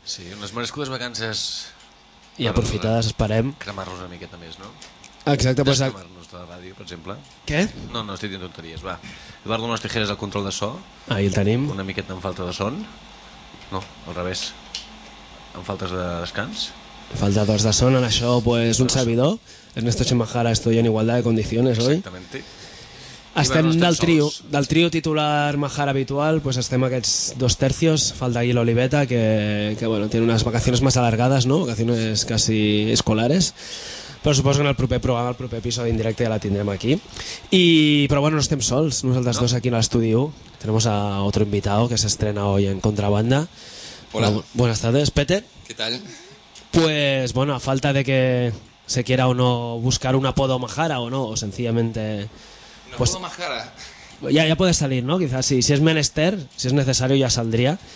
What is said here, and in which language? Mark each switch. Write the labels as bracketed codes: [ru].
[ca] Sí, unes merescudes vacances. I aprofitades, esperem. Cremar-nos una miqueta més, no? Exacte. Descremar-nos de la ràdio, per exemple. Què? No, estic dient tonteries, va. Eduardo, unes tijeres al control de so. Ahí el tenim. Una miqueta amb falta de son. No, al revés. Amb faltes de descans. Faltadors de son, en això, pues, un servidor. Ernesto Chimajara, [es] estoy en igualdad de condiciones, [ca] oi? [es] Exactamente. [ca] Estem del trio, titular Majara habitual, pues estem aquests dos tercios, falta ahí l'Oliveta, que bueno, [es] tiene unas vacaciones más alargadas, [ca] ¿no? [es] Vacaciones casi escolares. [ca] Però suposo que en el proper programa, el proper episodi en directe, ja la tindrem aquí. I, però bueno, no estem sols, nosaltres dos aquí en l'estudi 1. [es] Tenemos a otro invitado que [ca] s'estrena [es] hoy en Contrabanda. Hola. Buenas tardes, Peter. ¿Qué tal? Pues bueno, a falta de que se quiera o no buscar un apodo Majara o no, o sencillamente... Pues, ¿un apodo Majara? Ya puede salir, ¿no? Quizás sí. Si es menester, si es necesario, ya saldría.